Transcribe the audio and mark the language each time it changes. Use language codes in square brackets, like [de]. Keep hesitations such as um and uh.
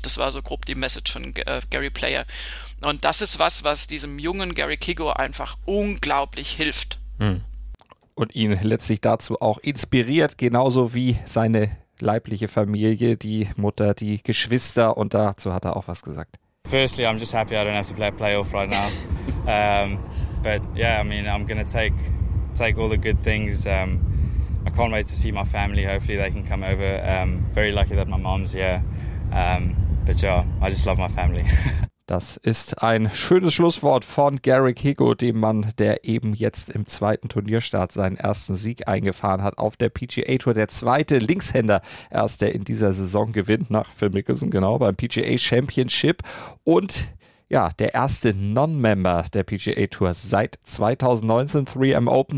[de] Das war so grob die Message von Gary Player. Und das ist was, was diesem jungen Gary Kigo einfach unglaublich hilft. Und ihn letztlich dazu auch inspiriert, genauso wie seine leibliche Familie, die Mutter, die Geschwister und dazu hat er auch was gesagt. [en] Firstly, I'm just happy I don't have to play a playoff right now. um, but yeah, I mean, take, take all the good things. Um, I can't wait to see my family. Hopefully, they can come over. Um, very lucky that my mom's here. Um, but yeah, I just love my family. [de] Das ist ein schönes Schlusswort von Gary Higo, dem Mann, der eben jetzt im zweiten Turnierstart seinen ersten Sieg eingefahren hat auf der PGA Tour. Der zweite Linkshänder erst, der in dieser Saison gewinnt nach Phil Mickelson, genau, beim PGA Championship. Und ja, der erste Non-Member der PGA Tour seit 2019, 3M Open.